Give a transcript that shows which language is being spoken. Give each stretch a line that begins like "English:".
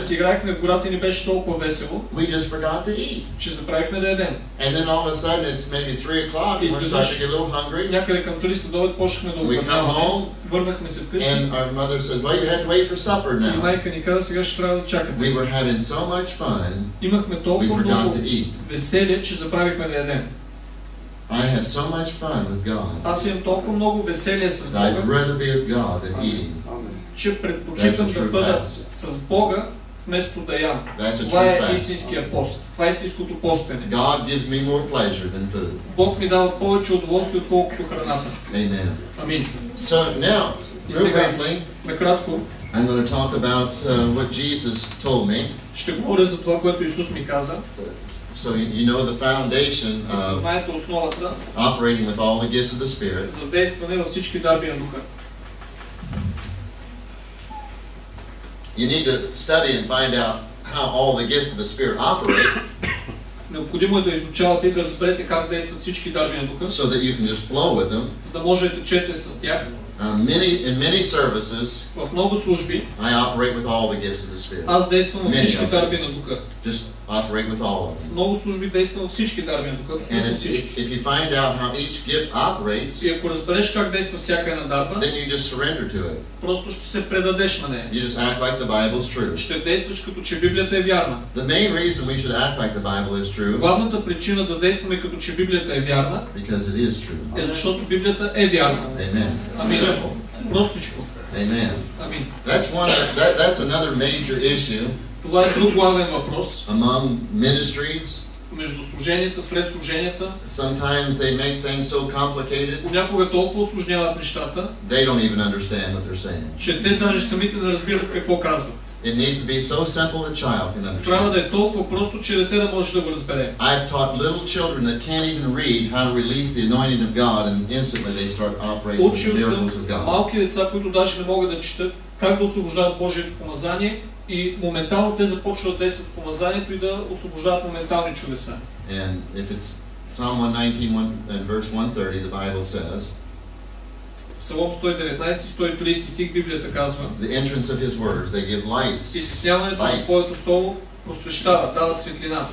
Bulgarian: Си играхме в гората и ни беше толкова весело.
English: We just forgot to eat.
Bulgarian: Че забравихме да ядем.
English: And then all of a sudden it's maybe 3 o'clock. And we're starting to get a little hungry.
Bulgarian: Някъде към 3 часа дойде, почнахме да обядваме.
English: We come home.
Bulgarian: Върнахме се вкъщи.
English: And our mother said, "Well, you have to wait for supper now."
Bulgarian: И майка ни каза, сега ще трябва да чакате.
English: We were having so much fun.
Bulgarian: Имахме толкова много веселие, че забравихме да ядем.
English: I have so much fun with God.
Bulgarian: Аз имам толкова много веселие с Бога.
English: I'd rather be with God than eating.
Bulgarian: Че предпочитам да бъда с Бога вместо да ям. Това е истинския пост. Това е истинското постене.
English: God gives me more pleasure than food.
Bulgarian: Бог ми дава повече удоволствие, отколкото храната.
English: Amen.
Bulgarian: Амин.
English: So now, briefly,
Bulgarian: накратко,
English: I'm going to talk about what Jesus told me.
Bulgarian: Ще говоря за това, което Исус ми каза.
English: So you know the foundation of operating with all the gifts of the Spirit.
Bulgarian: За действане във всички дарби на духа.
English: You need to study and find out how all the gifts of the Spirit operate.
Bulgarian: Необходимо е да изучавате и да разберете как действат всички дарби на духа.
English: So that you can just flow with them.
Bulgarian: За да можете да течете с тях.
English: In many services,
Bulgarian: в много служби,
English: I operate with all the gifts of the Spirit.
Bulgarian: Аз действам във всички дарби на духа.
English: Just operate with all of them.
Bulgarian: В много служби действам във всички дарби на духа.
English: And if you find out how each gift operates,
Bulgarian: и ако разбереш как действа всяка една дарба,
English: then you just surrender to it.
Bulgarian: Просто ще се предадеш на нея.
English: You just act like the Bible is true.
Bulgarian: Ще действаш като че Библията е вярна.
English: The main reason we should act like the Bible is true.
Bulgarian: Главната причина да действаме като че Библията е вярна,
English: because it is true.
Bulgarian: Е защото Библията е вярна.
English: Amen.
Bulgarian: Амин. Простичко. Amen. Амин.
English: That's another major issue.
Bulgarian: Това е друг главен въпрос.
English: Among ministries,
Bulgarian: между служенията, след служенията,
English: sometimes they make things so complicated,
Bulgarian: понякога толкова усложняват нещата,
English: they don't even understand what they're saying.
Bulgarian: Че те даже самите не разбират какво казват.
English: It needs to be so simple a child can understand.
Bulgarian: Трябва да е толкова просто, че дете да може да го разбере.
English: I've taught little children that can't even read how to release the anointing of God and instantly they start operating with the miracles of God.
Bulgarian: Малки деца, които даже не могат да четат, как да освобождават Божието помазание и моментално те започват да действат помазанието и да освобождават моментални чудеса.
English: And if it's Psalm 119 and verse 130, the Bible says,
Bulgarian: Псалом 119-130 стих Библията казва:
English: The entrance of his words, they give lights.
Bulgarian: Изясняването на Твоето слово просвещава, дава светлина.